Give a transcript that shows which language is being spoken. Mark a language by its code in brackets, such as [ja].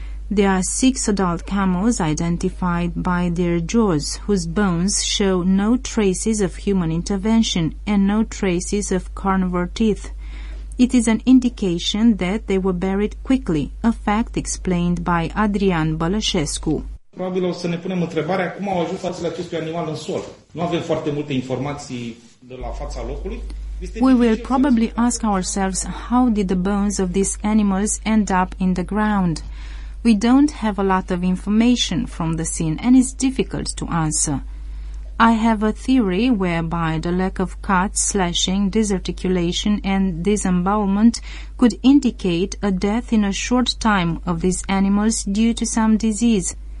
[en] There are six adult camels identified by their jaws, whose bones show no traces of human intervention and no traces of carnivore teeth. It is an indication that they were buried quickly, a fact explained by Adrian Bălășescu. [ro] Probabil o să ne punem întrebarea cum au ajuns fațele acestui animal în sol. Nu avem foarte multe informații de la fața locului. [en] We will probably ask ourselves how did the bones of these animals end up in the ground. We don't have a lot of information from the scene and it's difficult to answer. I have a theory whereby the lack of cuts, slashing, disarticulation and disembowelment could indicate a death in a short time of these animals due to some disease.